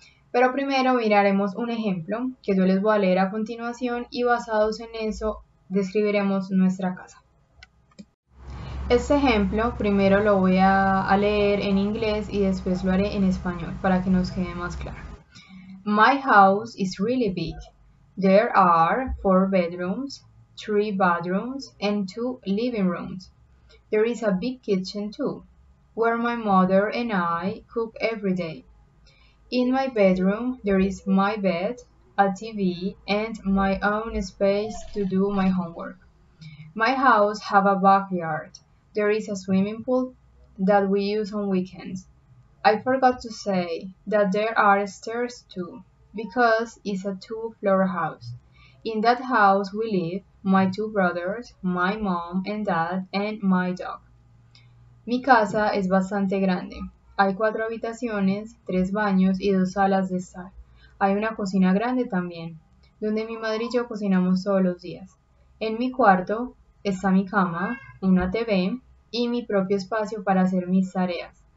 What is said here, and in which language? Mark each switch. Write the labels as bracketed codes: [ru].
[es] Pero primero miraremos un ejemplo que yo les voy a leer a continuación y basados en eso describiremos nuestra casa. Este ejemplo primero lo voy a leer en inglés y después lo haré en español para que nos quede más claro. [en] My house is really big. There are four bedrooms, three bathrooms, and two living rooms. There is a big kitchen too, where my mother and I cook every day. In my bedroom, there is my bed, a TV, and my own space to do my homework. My house has a backyard. There is a swimming pool that we use on weekends. I forgot to say that there are stairs too, because it's a two-floor house. In that house we live, my two brothers, my mom and dad, and my dog. [es] Mi casa es bastante grande. Hay cuatro habitaciones, tres baños y dos salas de estar. Hay una cocina grande también, donde mi madre y yo cocinamos todos los días. En mi cuarto está mi cama, una TV y mi propio espacio para hacer mis tareas.